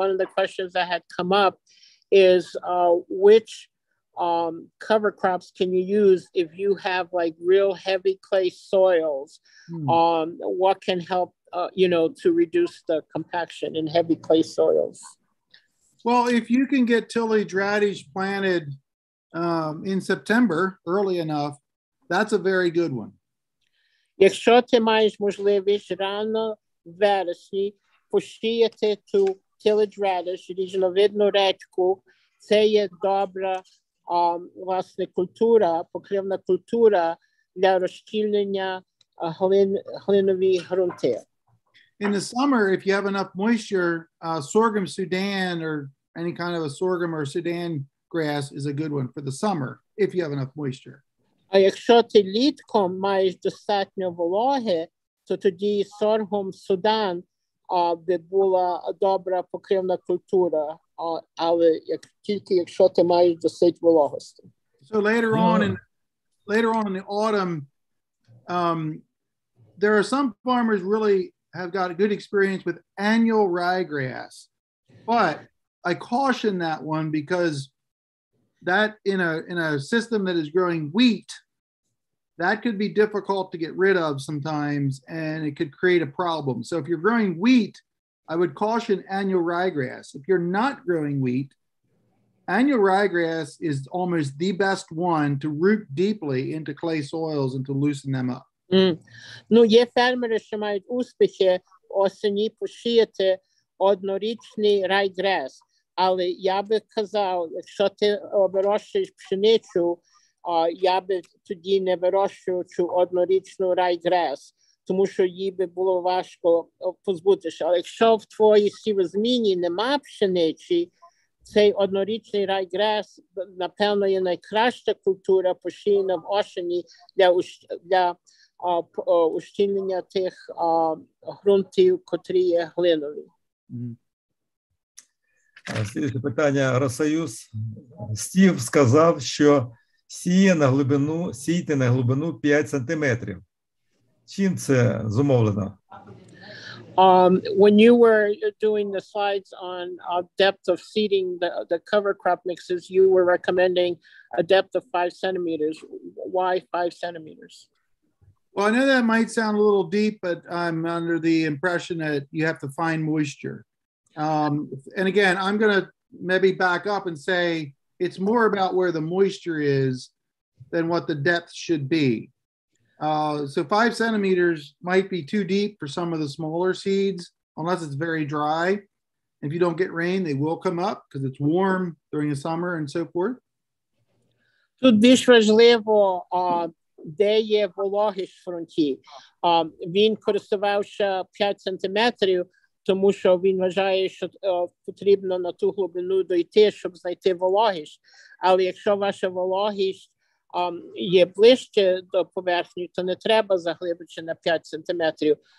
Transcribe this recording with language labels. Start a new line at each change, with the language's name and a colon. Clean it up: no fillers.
English: One of the questions that had come up is which cover crops can you use if you have like real heavy clay soils? What can help to reduce the compaction in heavy clay soils? Well, if you can get tillage radish planted in September early enough, that's a very good one.
Ukrainian: Якщо ти маєш можливість рано вересні посіяти ту tillage radish, різновидну редьку, це є добра власне культура, покривна культура для розчільнення глинові грунти.
English: In the summer, if you have enough moisture, sorghum Sudan or any kind of a sorghum or Sudan grass is a good one for the summer, if you have enough moisture.
Ukrainian: А якщо ти літком маєш достатньо вологи, то тоді сорхом Судан би була добра покривна культура, але тільки якщо ти маєш досить вологості.
English: So later on in the autumn, there are some farmers really have got a good experience with annual ryegrass, but I caution that one because that in a system that is growing wheat, that could be difficult to get rid of sometimes, and it could create a problem. So if you're growing wheat, I would caution annual ryegrass. If you're not growing wheat, annual ryegrass is almost the best one to root deeply into clay soils and to loosen them up.
Ukrainian: Ну, є фермери, що мають успіхи осені посіяти однорічний ryegrass. Але я би казав, якщо ти вирощуєш пшеницю, я би тоді не вирощував однорічну ryegrass, тому що їй би було важко позбутися. Але якщо в твоїй сівозміні нема пшениці, цей однорічний ryegrass, напевно, є найкраща культура посіяна в осені для ущільнення тих грунтів, котрі є глинові. Слідуюче питання. Росоюз. Стів сказав, що сіяти на глибину 5 сантиметрів. Чим це зумовлено?
English: When you were doing the slides on depth of seeding the cover crop mixes, you were recommending a depth of 5 centimeters. Why 5 centimeters? Well, I know that might sound a little deep, but I'm under the impression that you have to find moisture. And again, I'm going to maybe back up and say it's more about where the moisture is than what the depth should be. So 5 centimeters might be too deep for some of the smaller seeds, unless it's very dry. If you don't get rain, they will come up because it's warm during the summer and so forth.
Ukrainian: Тут більш важливо, де є вологість фронті. Він користувався 5 сантиметрів, тому що він вважає, що потрібно на ту глибину дойти, щоб знайти вологість. Але якщо ваша вологість є ближче до поверхні, то не треба заглибити на 5 сантиметрів.